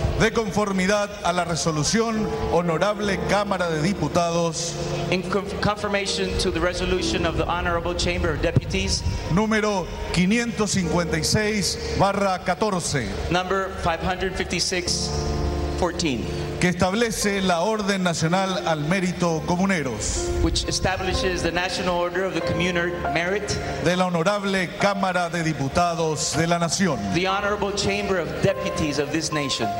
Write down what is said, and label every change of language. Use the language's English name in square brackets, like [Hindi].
[Spanish] De conformidad a la resolución, honorable Cámara de Diputados. [English] In confirmation to the resolution of the Honorable Chamber of Deputies. [Spanish] Número 556/14. [English] Number 556/14. [Spanish] Que establece la orden nacional al mérito comuneros. [English] Which establishes the national order of the communer merit. [Spanish] De la honorable Cámara de Diputados de la Nación. [English] The honorable chamber of deputies of this nation.